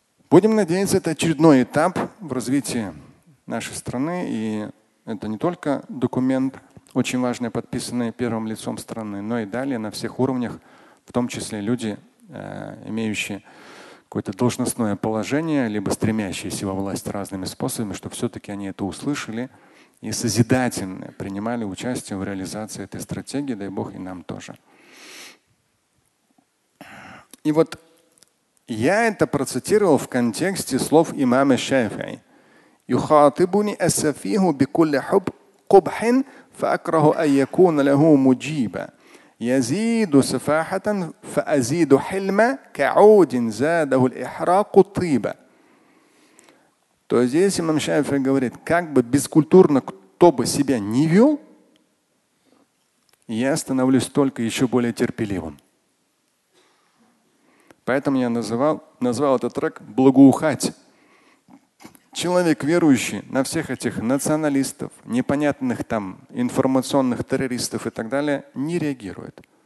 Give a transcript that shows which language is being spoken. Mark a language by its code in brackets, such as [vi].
[ru] Будем надеяться, это очередной этап в развитии нашей страны, и это не только документ, очень важный, подписанный первым лицом страны, но и далее на всех уровнях, в том числе люди, имеющие какое-то должностное положение, либо стремящиеся во власть разными способами, чтобы все-таки они это услышали и созидательно принимали участие в реализации этой стратегии, дай Бог, и нам тоже. И вот я это процитировал в контексте слов имама Шафии. [ar] يخاطبني السفيه بكل حب قبح فأكره أن يكون له مجيبا يزيد سفاحة فأزيد حلما كعود زاده الإحراق طيبا. [ru] То есть здесь имам Шафии говорит, как бы бескультурно кто бы себя ни вел, я становлюсь только еще более терпеливым. Поэтому я назвал этот трек «Благоухать». Человек верующий на всех этих националистов, непонятных там информационных террористов и так далее, не реагирует.